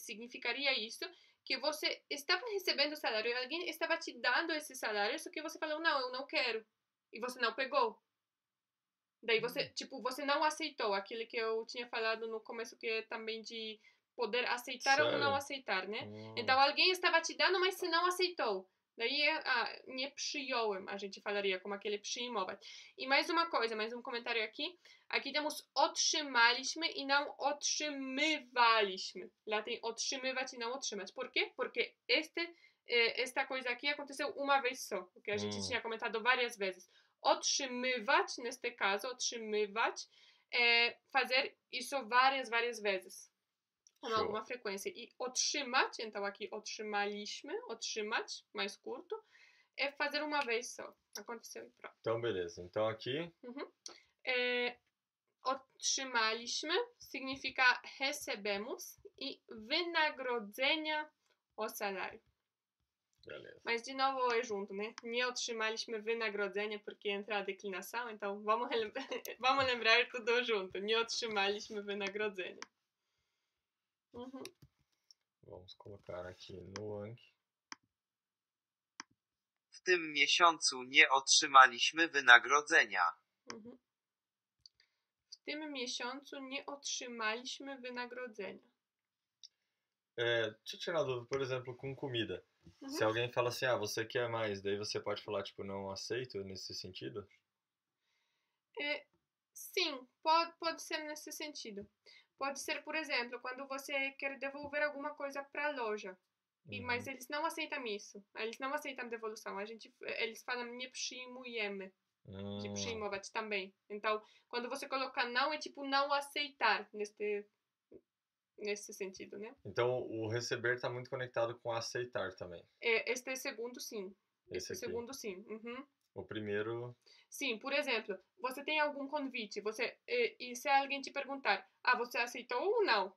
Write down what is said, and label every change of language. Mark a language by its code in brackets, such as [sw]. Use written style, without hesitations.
[pt] Significaria isso... Que você estava recebendo o salário e alguém estava te dando esse salário, só que você falou, não, eu não quero. E você não pegou. Daí você, tipo, você não aceitou aquilo que eu tinha falado no começo, que é também de poder aceitar Sério? Ou não aceitar, né? Então, alguém estava te dando, mas você não aceitou. Daí, [pl] nie przyjąłem, [pt] a gente falaria, como aquele przyjmować. E mais uma coisa, mais um comentário aqui. Aqui temos otrzymaliśmy e não otrzymywaliśmy. Lá tem otrzymywać e não otrzymać. Por quê? Porque esta coisa aqui aconteceu uma vez só. O que a gente tinha comentado várias vezes. Otrzymywać, neste caso, otrzymywać, é fazer isso várias, várias vezes. Com alguma frequência. E otrzymać, então aqui otrzymaliśmy, otrzymać, mais curto, é fazer uma vez só. Aconteceu e pronto. Então, beleza. Então, aqui... Uhum. Otrzymaliśmy significa recebemos e wynagrodzenia o salário. Beleza. Mas, de novo, é junto, né? [pl] Nie otrzymaliśmy wynagrodzenia, [pt] porque entra a declinação, então vamos lembrar tudo junto. [pl] Nie otrzymaliśmy wynagrodzenia. [pt] Uhum. Vamos colocar aqui no ang. [pl] W tym miesiącu nie otrzymaliśmy wynagrodzenia. W tym miesiącu nie otrzymaliśmy wynagrodzenia. [pt] Deixa eu tirar dúvida, por exemplo, com comida. Se alguém fala assim, ah, você quer mais, daí você pode falar, tipo, não aceito nesse sentido? Sim, pode ser nesse sentido. Pode ser, por exemplo, quando você quer devolver alguma coisa para a loja. Uhum. Mas eles não aceitam isso. Eles não aceitam devolução. Eles falam [pl] nie przyjmujemy. Nie przyjmować também. [pt] Então, quando você coloca não, é tipo não aceitar nesse sentido, né? Então, o receber está muito conectado com aceitar também. Este segundo, sim. Este segundo, sim. Uhum. O primeiro... Sim, por exemplo, você tem algum convite, e se alguém te perguntar, ah, você aceitou ou não?